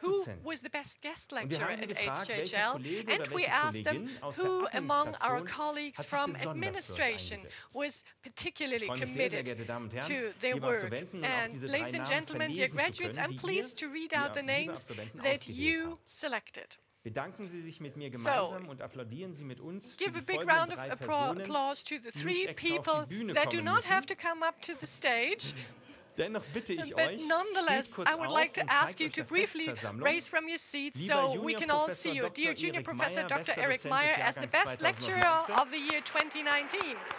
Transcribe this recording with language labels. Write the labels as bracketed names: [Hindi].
[English] Who was the best guest lecturer at HHL? And we asked them, who among our colleagues from administration was particularly committed to their work? And ladies and gentlemen, dear graduates, I'm pleased to read out the names that you selected. [German] Bedanken Sie sich mit mir gemeinsam und applaudieren Sie mit uns für die folgenden drei Personen, [English] to the three people that do not have to come up to the stage. [German] Dennoch bitte ich euch, [English] nonetheless, I would like to ask you to briefly raise from your seats so we can all see you. Dear Junior Professor Dr. Eric Meyer as the best lecturer of the year 2019.